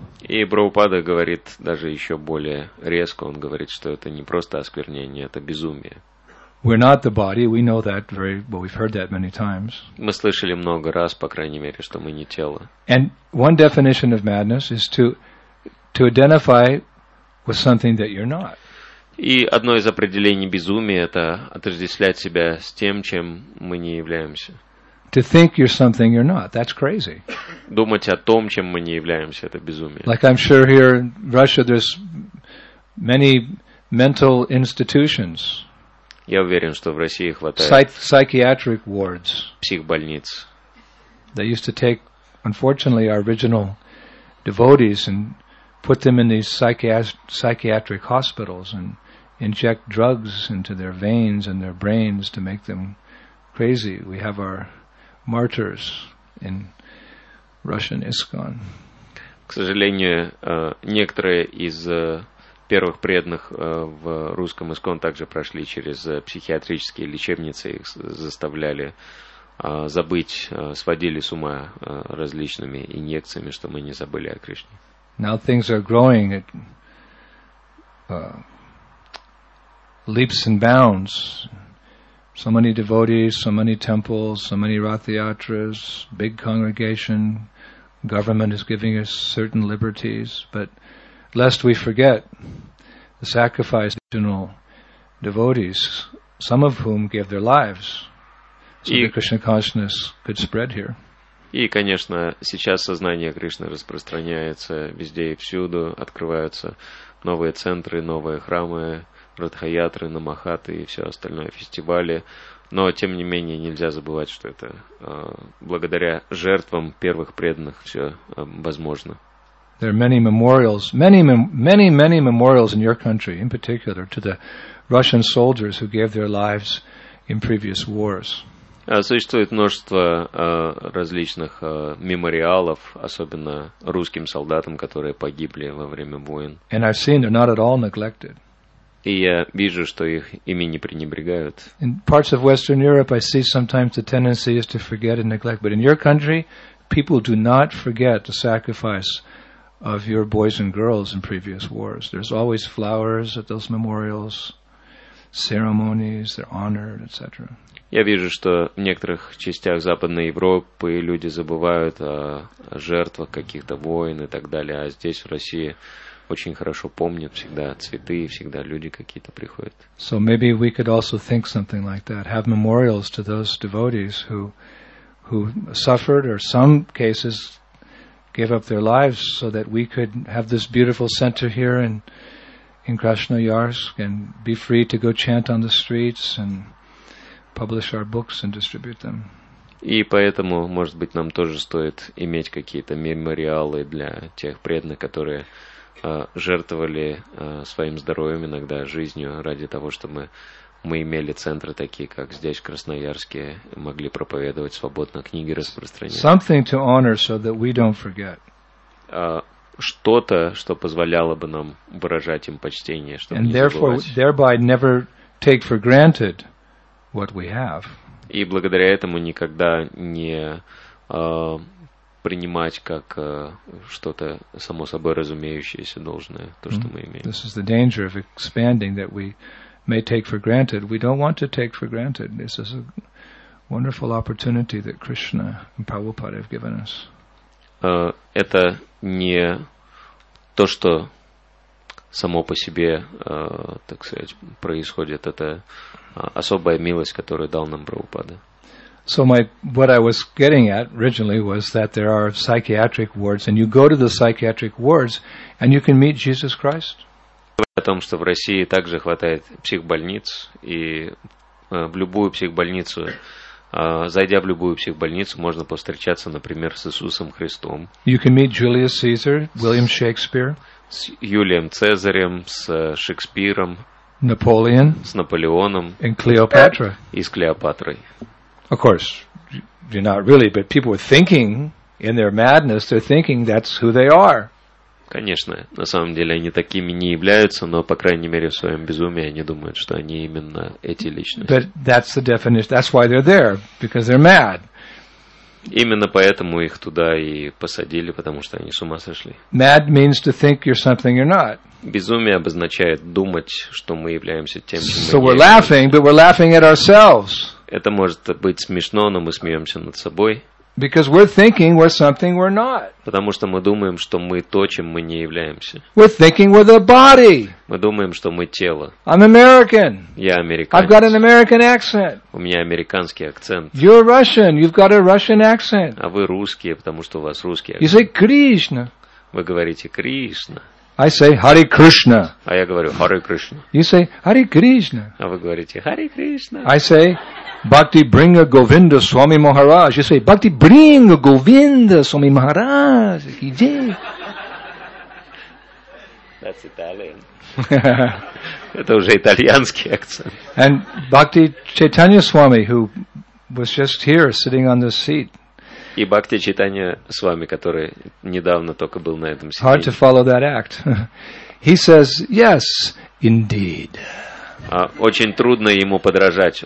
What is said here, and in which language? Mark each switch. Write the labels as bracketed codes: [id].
[ru] И Прабхупада говорит даже еще более резко. Он говорит, что это не просто осквернение, это безумие. [en] We're not the body. We know that very well. We've heard that many times. [ru] Мы слышали много раз, по крайней мере, что мы не тело. [en] And one definition of madness is to identify with something that you're not. [ru] И одно из определений безумия — это отождествлять себя с тем, чем мы не являемся. [en] To think you're something you're not. That's crazy. [ru] Думать о том, чем мы не являемся — это безумие. [en] Like I'm sure here in Russia there's many mental institutions. [ru] Я уверен, что в России хватает [en] psychiatric wards. [ru] Психбольниц. [en] They used to take, unfortunately, our original devotees and put them in these psychiatric hospitals and inject drugs into their veins and their brains to make them crazy. We have our martyrs in Russian ISKCON. [ru] К сожалению, некоторые из первых преданных в русском ИСККОН также прошли через психиатрические лечебницы, их заставляли забыть, сводили с ума различными инъекциями, чтобы мы не забыли о Кришне. [en] Now things are growing at leaps and bounds. So many devotees, so many temples, so many rathyatras, big congregation. Government is giving us certain liberties. But lest we forget the sacrifice of original devotees, some of whom gave their lives, so the Krishna consciousness could spread here. [ru] И, конечно, сейчас сознание Кришны распространяется везде и всюду, открываются новые центры, новые храмы, ратхаятры, намахаты и все остальное, фестивали. Но, тем не менее, нельзя забывать, что это благодаря жертвам первых преданных все возможно. [en] There are many memorials, many memorials in your country, in particular, to the Russian soldiers who gave their lives in previous wars. [ru] Существует множество различных мемориалов, особенно русским солдатам, которые погибли во время войн. [en] And I've seen they're not at all neglected. [ru] И я вижу, что их ими не пренебрегают. [en] In parts of Western Europe, I see sometimes the tendency is to forget and neglect. But in your country, people do not forget the sacrifice of your boys and girls in previous wars. There's always flowers at those memorials, ceremonies, they're honored, etc. [ru] Я вижу, что в некоторых частях Западной Европы люди забывают о жертвах каких-то войн и так далее, а здесь, в России, очень хорошо помнят всегда цветы, всегда люди какие-то приходят. [en] So maybe we could also think something like that, have memorials to those devotees who suffered or some cases gave up their lives so that we could have this beautiful center here in Krasnoyarsk and be free to go chant on the streets and publish our books and distribute them. [ru] И поэтому, может быть, нам тоже стоит иметь какие-то мемориалы для тех преданных, которые жертвовали своим здоровьем, иногда жизнью, ради того, чтобы мы имели центры такие, как здесь, в Красноярске, могли проповедовать свободно, книги распространять. [en] Something to honor so that we don't forget. [ru] Что-то, что позволяло бы нам выражать им почтение, чтобы [en] and [ru] не [en] therefore, [ru] забывать. [en] Thereby never take for granted what we have. [ru] И благодаря этому никогда не принимать как что-то само собой разумеющееся должное, то, что мы имеем. [en] This is the danger of expanding that we may take for granted. We don't want to take for granted. This is a wonderful opportunity that Krishna and Prabhupada have given us. [ru] Это не то, что само по себе, так сказать, происходит. Это особая милость, которую дал нам Прабхупада. [en] So what I was getting at originally was that there are psychiatric wards, and you go to the psychiatric wards, and you can meet Jesus Christ. [ru] О том, что в России также хватает психбольниц, и в любую психбольницу, зайдя в любую психбольницу, можно повстречаться, например, с Иисусом Христом. [en] You can meet Julius Caesar, William Shakespeare. [ru] С Юлием Цезарем, с Шекспиром. [en] Napoleon. [ru] С Наполеоном. [en] And Cleopatra. [ru] И с Клеопатрой. [en] Of course, you're not really, but people are thinking in their madness, they're thinking that's who they are. [ru] Конечно, на самом деле они такими не являются, но по крайней мере в своем безумии они думают, что они именно эти личности. [en] But that's the definition. That's why they're there, because they're mad. [ru] Именно поэтому их туда и посадили, потому что они с ума сошли. [en] Mad means to think you're something you're not. [ru] Безумие обозначает думать, что мы являемся тем, чем мы являемся. [en] So we're laughing, but we're laughing at ourselves. [ru] Это может быть смешно, но мы смеемся над собой. [en] Because we're thinking we're something we're not. [ru] Потому что мы думаем, что мы то, чем мы не являемся. [en] We're thinking we're the body. [ru] Мы думаем, что мы тело. [en] I'm American. [ru] Я американец. [en] I've got an American accent. [ru] У меня американский акцент. [en] You're Russian. You've got a Russian accent. [ru] А вы русские, потому что у вас русский акцент. [en] You say Krishna. [ru] Вы говорите Кришна. [en] I say Hare Krishna. [ru] А я говорю Hare Krishna. [en] You say Hare Krishna. [ru] А вы говорите Hare Krishna. [en] I say Bhakti Bringa Govinda Swami Maharaj. You say Bhakti Bringa Govinda Swami Maharaj. That's Italian. [ru] Это уже итальянский акцент. [en] And Bhakti Chaitanya Swami, who was just here sitting on this seat. [ru] И Бхакти Чайтанья Свами, который недавно только был на этом сиденье. [en] Hard to follow that act. He says, yes, indeed. [ru] Очень трудно ему подражать.